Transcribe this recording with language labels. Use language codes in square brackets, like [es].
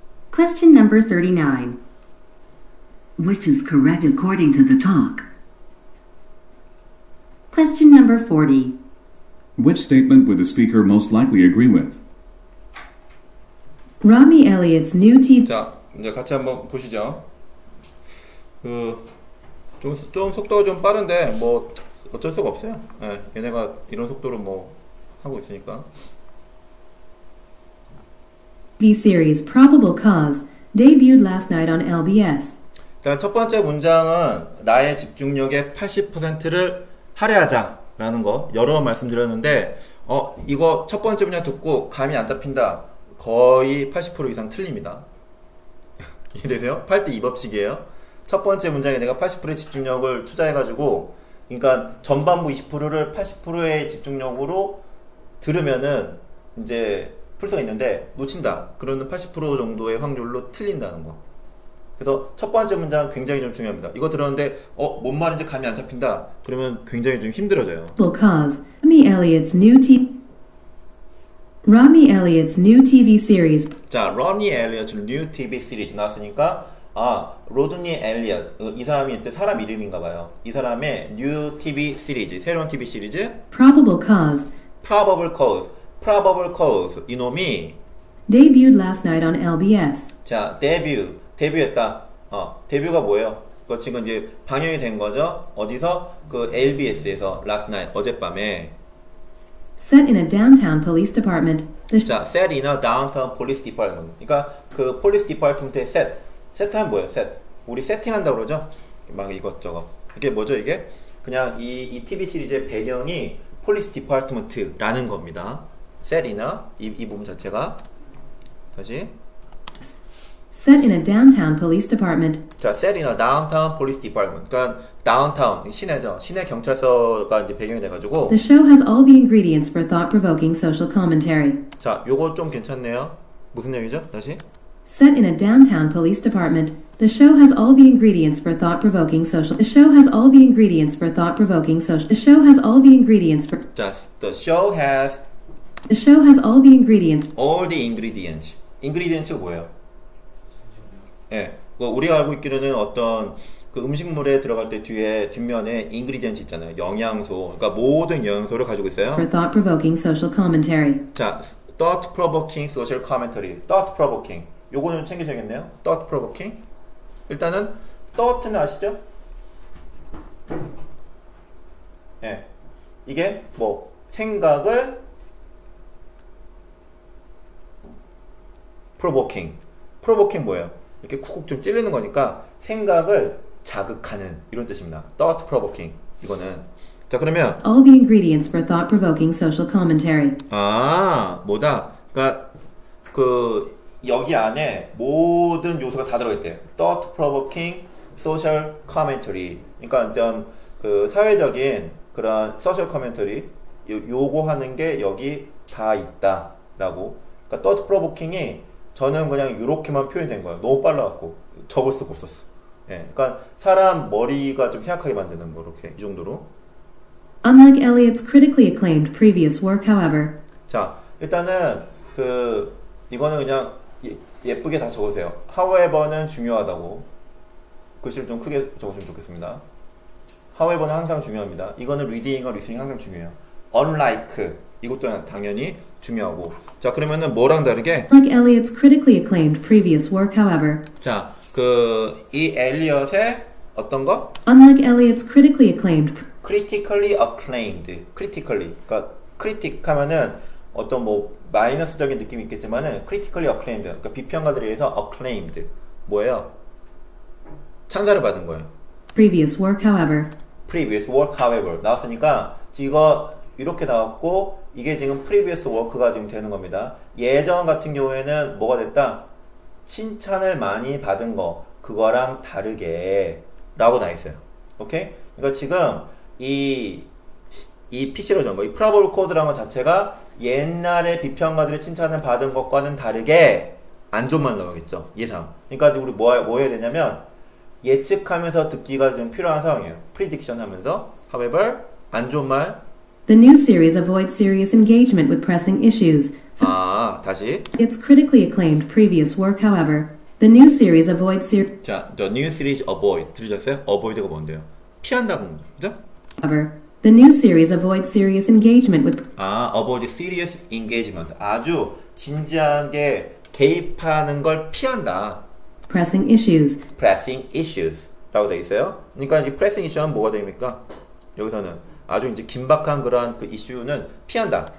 [en] Question number 39. Which is correct according to the talk? Question number 40. Which statement would the speaker most likely agree with? Rodney Elliott's new TV... [ko] 자, 이제 같이 한번 보시죠. 좀 속도가 좀 빠른데 뭐 어쩔 수가 없어요. 예, 얘네가 이런 속도로 뭐 하고 있으니까. [en] TV series Probable Cause debuted last night on LBS. [ko] 일단 첫 번째 문장은 나의 집중력의 80%를 할애하자라는 거 여러 번 말씀드렸는데 이거 첫 번째 문장 듣고 감이 안 잡힌다. 거의 80% 이상 틀립니다. 이해되세요? 8대2 법칙이에요. 첫 번째 문장에 내가 80%의 집중력을 투자해가지고 그러니까 전반부 20%를 80%의 집중력으로 들으면은 이제 풀수가 있는데 놓친다. 그러면 80% 정도의 확률로 틀린다는 거. 그래서 첫 번째 문장 굉장히 좀 중요합니다. 이거 들었는데 뭔 말인지 감이 안 잡힌다. 그러면 굉장히 좀 힘들어져요. [en] Because Rodney Elliott's new TV Rodney Elliott's new TV series. [ko] 자, [en] Rodney Elliott's new TV series [ko] 나왔으니까 로드니 엘리엇 이 사람이 이제 사람 이름인가 봐요. 이 사람의 new TV 시리즈, 새로운 TV 시리즈. [en] Probable Cause. Probable Cause. Probable Cause. [ko] 이놈이 [en] debuted last night on LBS. [ko] 자, debut. 데뷔했다. 데뷔가 뭐예요? 그거 지금 이제 방영이 된 거죠. 어디서? 그 LBS에서 last night 어젯밤에. [en] Set in a downtown police department. 자, set in a downtown police department. [ko] 그러니까 그 police department의 set. 세트하면 뭐예요? 셋. 우리 세팅한다고 그러죠? 막 이것저것. 이게 뭐죠, 이게? 그냥 이 TV 시리즈의 배경이 폴리스 디파트먼트라는 겁니다. 셋이나 이 부분 자체가. 다시. [en] Set in a downtown police department. 자, set in a downtown police department. [ko] 그러니까 다운타운, 시내죠. 시내 경찰서가 이제 배경이 돼가지고. [en] The show has all the ingredients for thought-provoking social commentary. [ko] 자, 요거 좀 괜찮네요. 무슨 얘기죠? 다시. [en] Set in a downtown police department, the show has all the ingredients for thought-provoking social. The show has all the ingredients for thought-provoking social. The show has all the ingredients for. Just the show has. The show has all the ingredients. All the ingredients. [ko] Ingredients 뭐예요? 예, 네. 뭐 우리가 알고 있기로는 어떤 그 음식물에 들어갈 때 뒤에 뒷면에 ingredients 있잖아요. 영양소. 그러니까 모든 영양소를 가지고 있어요. [en] For thought-provoking social commentary. 자, thought-provoking social commentary. Thought-provoking. [ko] 요거는 챙기셔야겠네요. [en] Thought provoking. [ko] 일단은 thought는 아시죠? 예, 네. 이게 뭐 생각을 provoking. Provoking 뭐예요? 이렇게 쿡쿡 좀 찌르는 거니까 생각을 자극하는 이런 뜻입니다. [en] Thought provoking. [ko] 이거는 자 그러면 [en] all the ingredients for thought provoking social commentary. [ko] 뭐다? 그러니까 그 여기 안에 모든 요소가 다 들어있대. [en] Thought provoking social commentary. [ko] 그러니까 어떤 그 사회적인 그런 [en] social commentary [ko] 요거 하는 게 여기 다 있다라고. 그러니까 [en] thought provoking [ko] 이 저는 그냥 이렇게만 표현된 거야. 너무 빨라갖고 적을 수가 없었어. 예, 그러니까 사람 머리가 좀 생각하게 만드는 거 이렇게 이 정도로. [en] Unlike Elliott's critically acclaimed previous work, however. [ko] 자, 일단은 그 이거는 그냥 예쁘게 다 적으세요. However는 중요하다고 글씨를 좀 크게 적으시면 좋겠습니다. However는 항상 중요합니다. 이거는 reading과 listening 항상 중요해요. Unlike 이것도 당연히 중요하고 자 그러면은 뭐랑 다르게 [en] Like Elliott's critically acclaimed previous work, however. [ko] 자, 그 이 엘리엇의 어떤 거? [en] Unlike Elliott's critically acclaimed critically acclaimed [ko] critically 그러니까 critic 하면은 어떤 뭐 마이너스적인 느낌이 있겠지만은 critically acclaimed 그러니까 비평가들에 의해서 acclaimed 뭐예요? 찬사를 받은 거예요. [en] Previous work, however. previous work, however [ko] 나왔으니까 이거 이렇게 나왔고 이게 지금 previous work가 지금 되는 겁니다. 예전 같은 경우에는 뭐가 됐다? 칭찬을 많이 받은 거 그거랑 다르게 라고 나 있어요. 오케이? 그러니까 지금 이 PC로 전거 이 probable cause라는 것 자체가 옛날에 비평가들의 칭찬을 받은 것과는 다르게 안 좋은 말 나오겠죠. 예상. 그러니까 우리 뭐 해야 되냐면 예측하면서 듣기가 좀 필요한 상황이에요. prediction 하면서 however 안 좋은 말 [en] The new series avoids serious engagement with pressing issues. [ko] So 아, 다시. [en] It's critically acclaimed previous work, however. The new series avoids serious. [ko] 자, [en] the new series avoid. [ko] 들으셨어요? avoid가 뭔데요? 피한다는 거죠? 그렇죠? [en] However, the new series avoids serious engagement with. 아, avoid serious engagement. [ko] 아주 진지하게 개입하는 걸 피한다. [en] Pressing issues. Pressing issues. [ko] 라고 돼 있어요. 그러니까 이제 pressing issue는 뭐가 됩니까? 여기서는. 아주 이제 긴박한 그런 그 이슈는 피한다.